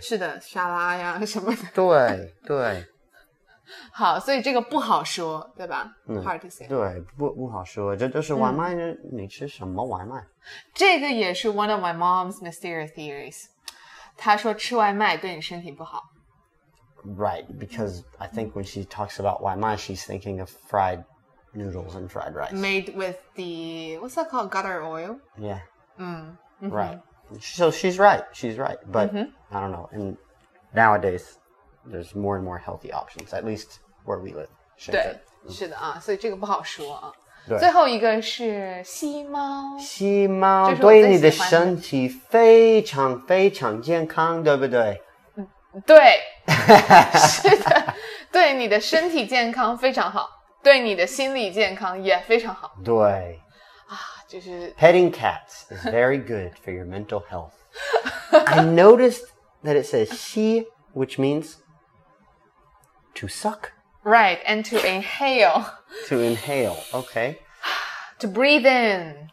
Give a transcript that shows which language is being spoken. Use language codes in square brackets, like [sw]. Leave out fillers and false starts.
[zh] 是的，沙拉呀什么的。对对。好，所以这个不好说，对吧？ [en] Hard to say. [zh] 对，不好说，这就是外卖，你吃什么外卖？这个也是 [en] one of my mom's mysterious theories. [zh] 她说吃外卖对你身体不好。 [en] Right, because I think when she talks about 外卖, she's thinking of fried noodles and fried rice. Made with the, what's that called, gutter oil? Yeah. Right. So she's right. But, I don't know, and nowadays... There's more and more healthy options, at least where we live. [zh] 对，是的啊，所以这个不好说啊。对。最后一个是吸猫。吸猫对你的身体非常非常健康，对不对？对。是的，对你的身体健康非常好，对你的心理健康也非常好。对。啊，就是。 [en] Petting cats is very good for your mental health. I noticed that it says 吸Which means to suck. Right, and to inhale. To inhale, okay. To breathe in.